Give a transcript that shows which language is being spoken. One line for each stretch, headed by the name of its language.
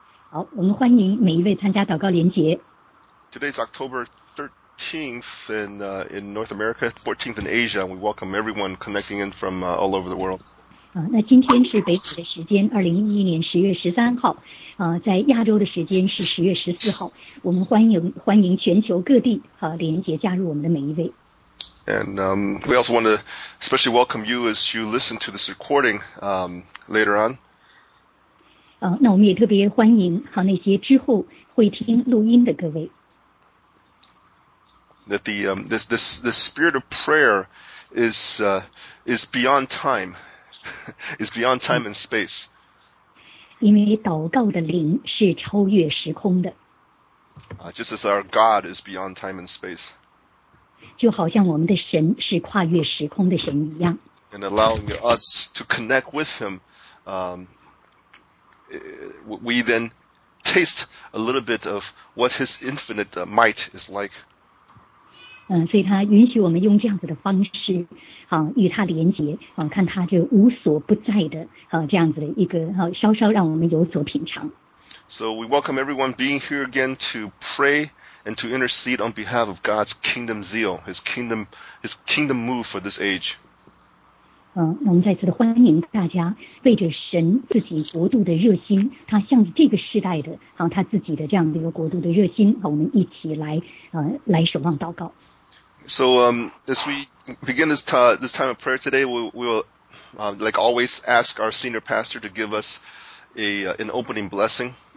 Chinese: 好，我们欢迎每一位参加祷告连结。
English: Today's October 13th in North America, 14th in Asia. We welcome everyone connecting in from all over the world.
Chinese: 那今天是北美的时间，2011年10月13号。在亚洲的时间是10月14号。我们欢迎全球各地连结加入我们的每一位。
English: And we also want to especially welcome you as you listen to this recording later on.
Chinese: 那我们也特别欢迎和那些之后会听录音的各位。
English: That the spirit of prayer is beyond time, is beyond time and space.
Chinese: 因为祷告的灵是超越时空的。
English: Just as our God is beyond time and space.
Chinese: 就好像我们的神是跨越时空的神一样。
English: And allowing us to connect with him, we then taste a little bit of what his infinite might is like.
Chinese: 所以他允许我们用这样子的方式，与他连结，看他这无所不在的，这样子的一个，稍稍让我们有所品尝。
English: So we welcome everyone being here again to pray. And to intercede on behalf of God's kingdom zeal, His kingdom move for this age.
Chinese: 我们再次的欢迎大家，为着神自己国度的热心，他向着这个时代的，他自己的这样的一个国度的热心，我们一起来守望祷告。
English: So as we begin this time of prayer today, we will like always ask our senior pastor to give us an opening blessing.